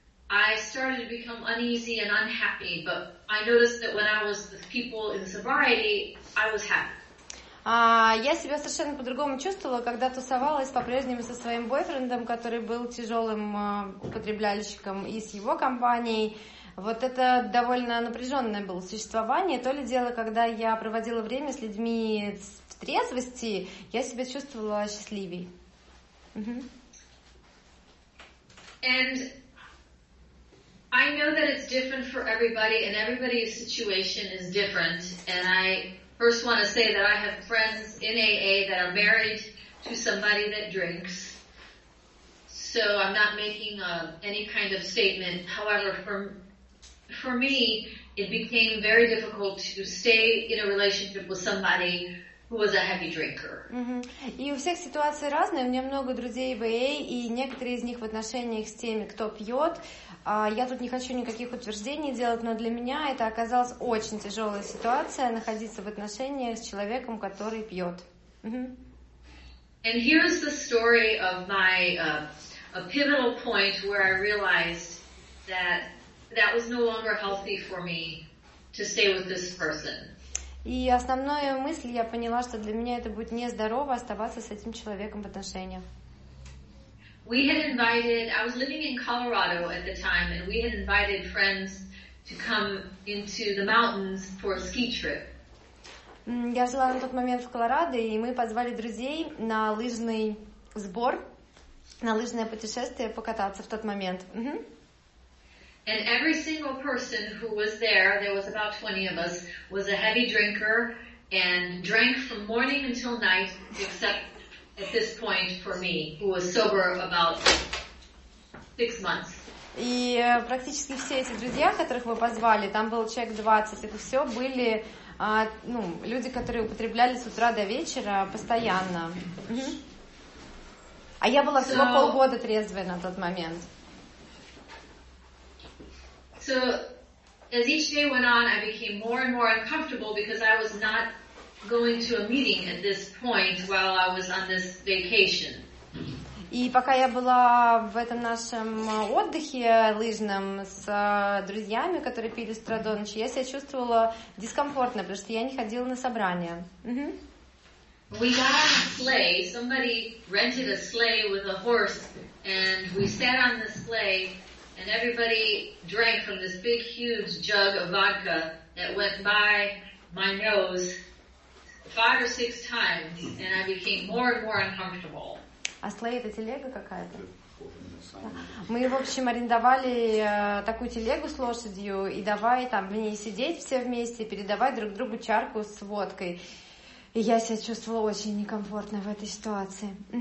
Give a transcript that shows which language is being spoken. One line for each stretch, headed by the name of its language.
English: I started to become uneasy and unhappy, but I noticed that when I was with people in sobriety, I was happy.
Russian: Я себя совершенно по-другому чувствовала, когда тусовалась по-прежнему со своим бойфрендом, который был тяжелым употребляльщиком, и с его компанией. Вот это довольно напряженное было существование. То ли дело, когда я проводила время с людьми в трезвости, я себя чувствовала счастливей.
English: And I know that it's different for everybody, and everybody's situation is different, and I first want to say that I have friends in AA that are married to somebody that drinks. So I'm not making any kind of statement. However, for me, it became very difficult to stay in a relationship with somebody who was a heavy drinker.
Russian: И у всех ситуации разные. У меня много друзей в AA, и некоторые из них в отношениях с теми, кто пьет. Я тут не хочу никаких утверждений делать, но для меня это оказалась очень тяжелая ситуация находиться в отношениях с человеком, который пьет.
English: And here's the story of my a pivotal point where I realized that that was no longer healthy for me to stay with this person.
Russian: И основная мысль, я поняла, что для меня это будет нездорово оставаться с этим человеком в отношениях.
English: We had invited, I was living in Colorado at the time, and we had invited friends to come into the mountains for a ski trip.
Russian: Я жила на тот момент в Колорадо, и мы позвали друзей на лыжный сбор, на лыжное путешествие покататься в тот момент.
English: And every single person who was there, there was about 20 of us, was a heavy drinker and drank from morning until night, except at this point for me, who was sober about 6 months.
Russian: И практически все эти друзья, которых вы позвали, там был человек 20, это все были ну, люди, которые употребляли с утра до вечера постоянно. А я была всего полгода трезвой на тот момент.
English: So as each day went on, I became more and more uncomfortable because I was not going to a meeting at this point while I was on this vacation.
Russian: И пока я была в этом нашем отдыхе лыжном с друзьями, которые пили с утра до ночи, я себя чувствовала дискомфортно, потому что я не ходила на собрания.
English: We got on a sleigh. Somebody rented a sleigh with a horse, and we sat on the sleigh, and everybody drank from this big, huge jug of vodka that went by my nose 5 or 6 times, and I became more and more uncomfortable.
Russian: А слей — это телега какая-то? Мы, в общем, арендовали такую телегу с лошадью и давай там в ней сидеть все вместе, передавать друг другу чарку с водкой. И я себя чувствовала очень некомфортно в этой ситуации.